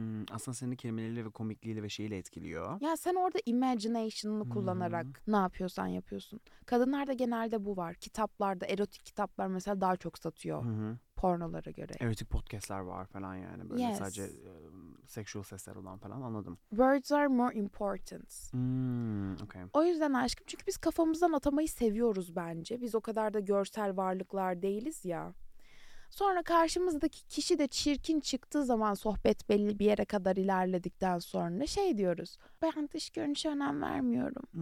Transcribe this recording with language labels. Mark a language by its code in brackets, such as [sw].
[tr] Aslında seni kelimeleriyle ve komikliğiyle ve şeyle etkiliyor. Ya sen orada imagination'ını kullanarak ne yapıyorsan yapıyorsun. Kadınlarda genelde bu var. Kitaplarda, erotik kitaplar mesela daha çok satıyor pornolara göre. Erotik podcastlar var falan yani. Böyle sadece sexual sesler olan falan, anladım. [en] Words are more important. Okay. [tr] O yüzden aşkım, çünkü biz kafamızdan atamayı seviyoruz bence. Biz o kadar da görsel varlıklar değiliz ya. Sonra karşımızdaki kişi de çirkin çıktığı zaman sohbet belli bir yere kadar ilerledikten sonra şey diyoruz. Ben dış görünüşe önem vermiyorum.